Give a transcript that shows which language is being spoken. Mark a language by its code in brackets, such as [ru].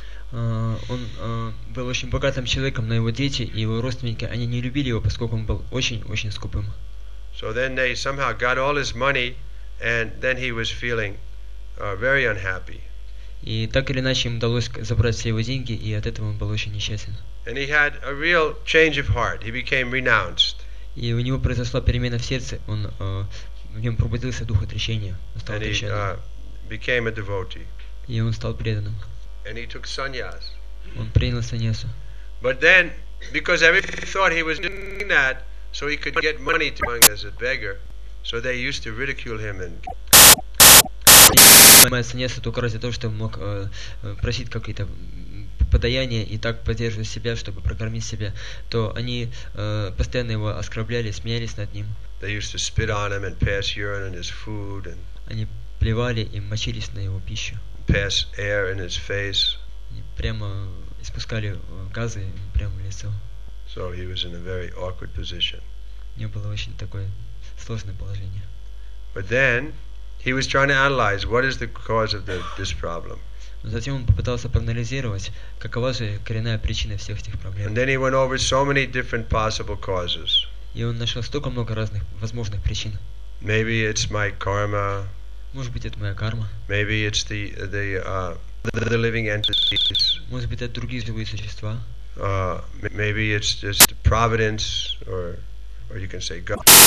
[ru] Он был очень богатым человеком, но его дети и его родственники, они не любили его, поскольку он был очень-очень скупым. [en] So then they somehow got all his money, and then he was feeling very unhappy. [ru] И так или иначе им удалось забрать все его деньги, и от этого он был очень несчастен. [en] And he had a real change of heart. He became renounced. [ru] И у него произошла перемена в сердце. Он в нем пробудился дух отречения. [en] And he became a devotee. [ru] И он стал преданным. [en] And he took sannyas. [ru] Он принял саньясу. [en] But then, because everybody thought he was doing that so he could get money to go as a beggar, so they used to ridicule him and. [ru] Занимается несколько только ради того, чтобы мог просить какие-то подаяния и так поддерживать себя, чтобы прокормить себя, то они постоянно его оскорбляли, смеялись над ним. Они плевали и мочились на его пищу. [en] Pass air in his face. [ru] Они прямо испускали газы прямо в лицо. [en] So he was in a very awkward position. [ru] У него было очень такое сложное положение. [en] But then he was trying to analyze what is the cause of this problem. [ru] Затем он попытался проанализировать, какова же коренная причина всех этих проблем. [en] And then he went over so many different possible causes. [ru] И он нашел столько много разных возможных причин. [en] Maybe it's my karma. [ru] Может быть, это моя карма. [en] Maybe it's the living entities. [ru] Может быть, это другие живые существа. [en] Maybe it's just providence, or you can say God.